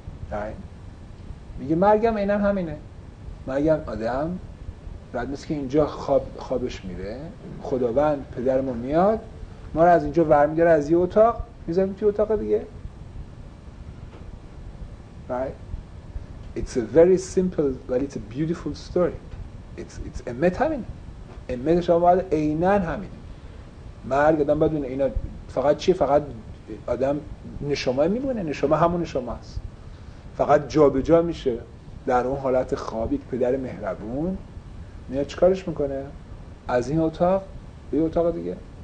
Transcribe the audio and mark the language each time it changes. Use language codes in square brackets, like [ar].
[fa] رایت میگه مرگم اینم همینه، مرگم آدم رد مثل که اینجا خوابش میره، خداوند پدرمون میاد ما رو از اینجا ورمیداره، از یه اتاق میذاره توی اتاق دیگه. [en] Right? It's a very simple but it's a beautiful story. [fa] It's امت همینه، امت شما باید اینن همینه، مرگ آدم بدونه اینا فقط چیه، فقط آدم نشما میمونه، نشما همون نشما هست، فقط جا به جا میشه در اون حالت خوابی که پدر مهربون میاد چیکارش میکنه؟ از این اتاق به یه اتاق دیگه.